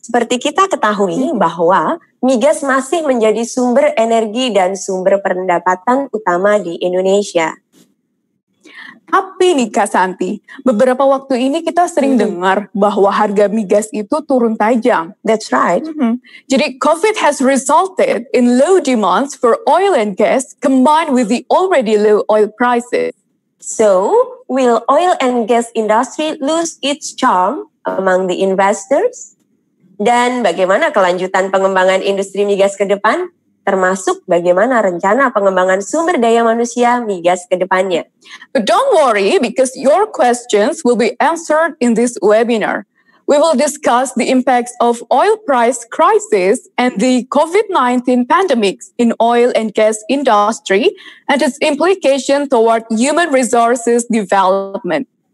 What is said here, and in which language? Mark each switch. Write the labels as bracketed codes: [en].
[id] Seperti kita ketahui bahwa migas masih menjadi sumber energi dan sumber pendapatan utama di Indonesia. Tapi nih Kak Santi, beberapa waktu ini kita sering dengar bahwa harga migas itu turun tajam. [en] That's right. Jadi COVID has resulted in low demands for oil and gas combined with the already low oil prices. So, will oil and gas industry lose its charm among the investors? [id] Dan bagaimana kelanjutan pengembangan industri migas ke depan? Termasuk bagaimana rencana pengembangan sumber daya manusia migas ke depannya. [en] But don't worry, because your questions will be answered in this webinar. We will discuss the impacts of oil price crisis and the COVID-19 pandemics in oil and gas industry and its implication toward human resources development.